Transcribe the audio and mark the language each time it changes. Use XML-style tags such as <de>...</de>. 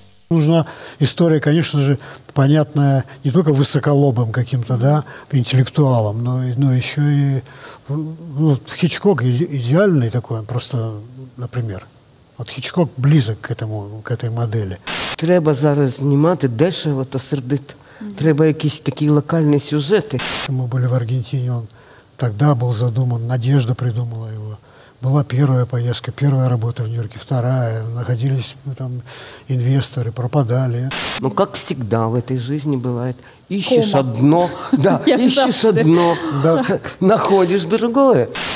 <ru>Нужна история, конечно же, понятная не только высоколобым каким-то, да, интеллектуалом, но еще и, ну, Хичкок идеальный такой, просто, например. Вот Хичкок близок к этому, к этой модели.</ru> <uk>Треба зараз знімати дешево та сердито. Треба якісь такі локальні сюжети. Ми були в Аргентині, він тоді був задуман, Надежда придумала його.</uk> <ru>Была первая поездка, первая работа в Нью-Йорке, вторая. Находились там инвесторы, пропадали. Ну, как всегда в этой жизни бывает. Ищешь одно, да, ищешь одно, находишь другое.</ru>